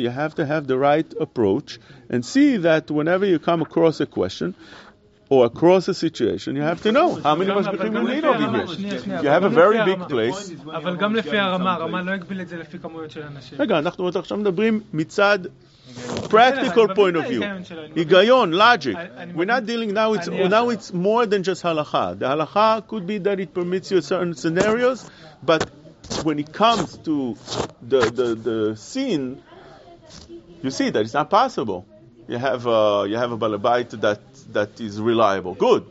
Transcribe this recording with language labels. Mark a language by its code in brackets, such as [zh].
[en] You have to have the right approach and see that whenever you come across a question or across a situation, you have to know how many mashgichim you need over here. You have a very big place. [he] אבל גם לפי הרמה, הרמה לא יגביל את זה לפי כמויות של אנשים. רגע, אנחנו עוד עכשיו מדברים מצד [en] practical point of view. Higayon, logic. We're not dealing now, it's more than just halakha. The halakha could be that it permits you certain scenarios, but when it comes to the scene, you see that it's not possible. You have a balabait that is reliable, good.